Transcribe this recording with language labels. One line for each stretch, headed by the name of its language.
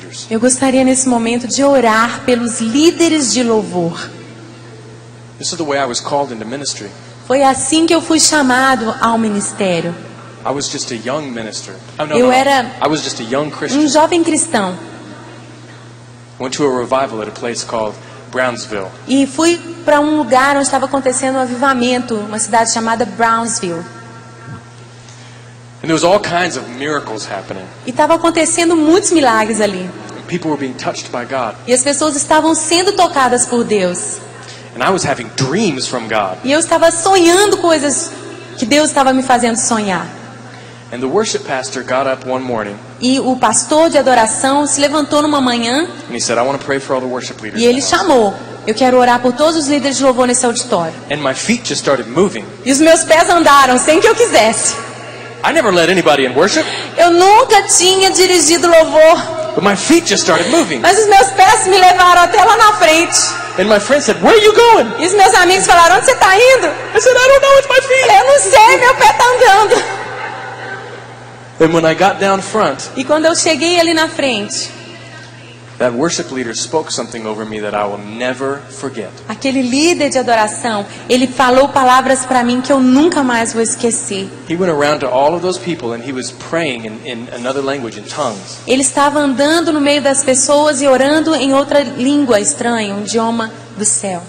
Portuguese: Eu gostaria nesse momento de orar pelos líderes de louvor.
English: This is the way I was called into ministry.
Portuguese: Foi assim que eu fui chamado ao ministério.
English: I was just a young minister. I was just a young Christian.
Portuguese: Um jovem cristão.
English: Went to a revival at a place called Brownsville.
Portuguese: E fui para um lugar onde estava acontecendo um avivamento, uma cidade chamada Brownsville.
English: And there was all kinds of miracles happening.
Portuguese: E estava acontecendo muitos milagres ali.
English: People were being touched by God.
Portuguese: E as pessoas estavam sendo tocadas por Deus.
English: And I was having dreams from God.
Portuguese: E eu estava sonhando coisas que Deus estava me fazendo sonhar.
English: And the worship pastor got up one morning.
Portuguese: E o pastor de adoração se levantou numa manhã.
English: And he said, "I want to pray for all the worship leaders."
Portuguese: E ele chamou. Eu quero orar por todos os líderes de louvor nesse auditório.
English: And my feet just started moving.
Portuguese: E os meus pés andaram sem que eu quisesse.
English: I never led anybody in worship.
Portuguese: Eu nunca tinha dirigido louvor.
English: But my feet just started moving.
Portuguese: Mas os meus pés me levaram até lá na frente.
English: And my friend said, "Where are you going?"
Portuguese: E os meus amigos falaram, onde você está indo?
English: I said, "I don't know, it's my feet."
Portuguese: Eu não sei, meu pé está andando.
English: And when I got down front,
Portuguese: e quando eu cheguei ali na frente,
English: that worship leader spoke something over me that I will never forget.
Portuguese: Aquele líder de adoração, ele falou palavras para mim que eu nunca mais vou esquecer.
English: He went around to all of those people and he was praying in another language, in tongues.
Portuguese: Ele estava andando no meio das pessoas e orando em outra língua estranha, um idioma do céu.